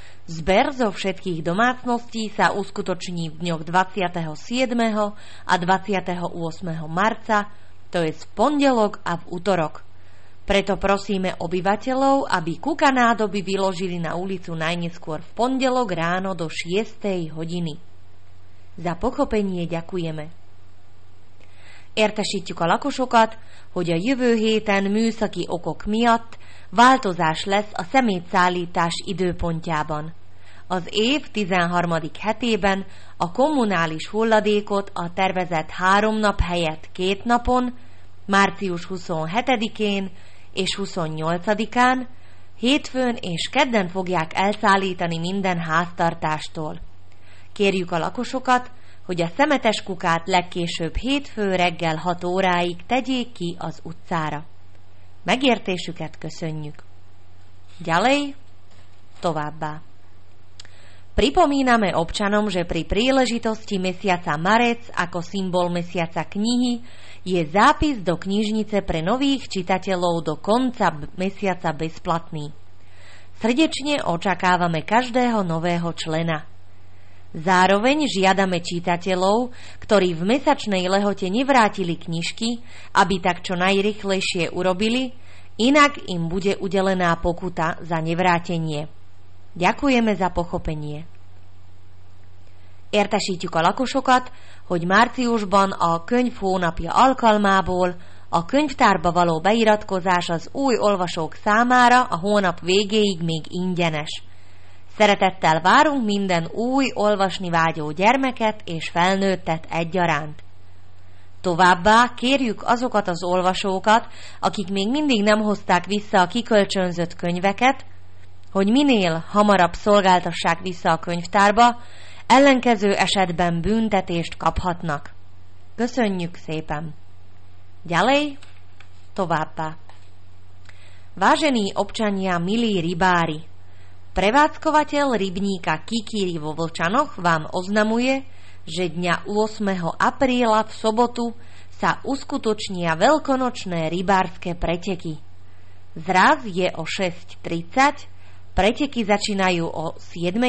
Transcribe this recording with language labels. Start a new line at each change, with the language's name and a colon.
Slovak: Zber zo všetkých domácností sa uskutoční v dňoch 27. a 28. marca, to je v pondelok a v utorok. Preto prosíme obyvateľov, aby kuka nádoby vyložili na ulicu najneskôr v pondelok ráno do 6. hodiny. Za pochopenie ďakujeme.
Hungarian: Értesítjük a lakosokat, hogy a jövő héten műszaki okok miatt változás lesz a szemétszállítás időpontjában. Az év 13. hetében a kommunális hulladékot a tervezett 3 nap helyett 2 napon, március 27-én és 28-án, hétfőn és kedden fogják elszállítani minden háztartástól. Kérjük a lakosokat, hogy a szemetes kukát legkésőbb hétfő reggel 6 óráig tegyék ki az utcára. Megértésüket köszönjük.
Slovak: Ďalej,
Hungarian: továbbá.
Slovak: Pripomíname občanom, že pri príležitosti mesiaca marec ako symbol mesiaca knihy je zápis do knižnice pre nových čitateľov do konca mesiaca bezplatný. Srdečne očakávame každého nového člena. Zároveň žiadame čitateľov, ktorí v mesačnej lehote nevrátili knižky, aby tak čo najrychlejšie urobili, inak im bude udelená pokuta za nevrátenie. Ďakujeme za pochopenie.
Hungarian: Értesítjük a lakosokat, hogy márciusban a könyvhónapja alkalmából a könyvtárba való beiratkozás az új olvasók számára a hónap végéig még ingyenes. Szeretettel várunk minden új olvasni vágyó gyermeket és felnőttet egyaránt. Továbbá kérjük azokat az olvasókat, akik még mindig nem hozták vissza a kikölcsönzött könyveket, hogy minél hamarabb szolgáltassák vissza a könyvtárba, ellenkező esetben büntetést kaphatnak. Köszönjük szépen!
Slovak: Ďalej,
Hungarian: továbbá.
Slovak: Vážení občania, milí rybári! Prevádzkovateľ rybníka Kikiri vo Vlčanoch vám oznamuje, že dňa 8. apríla v sobotu sa uskutočnia veľkonočné rybárske preteky. Zraz je o 6.30, preteky začínajú o 7.